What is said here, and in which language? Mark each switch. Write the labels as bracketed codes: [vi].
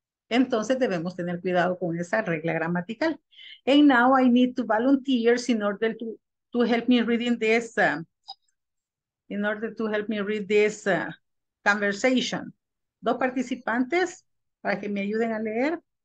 [es] Entonces debemos tener cuidado con esa regla gramatical. [en] And now I need to volunteers in order to help me reading this, in order to help me read this conversation. [es] Dos participantes para que me ayuden a leer.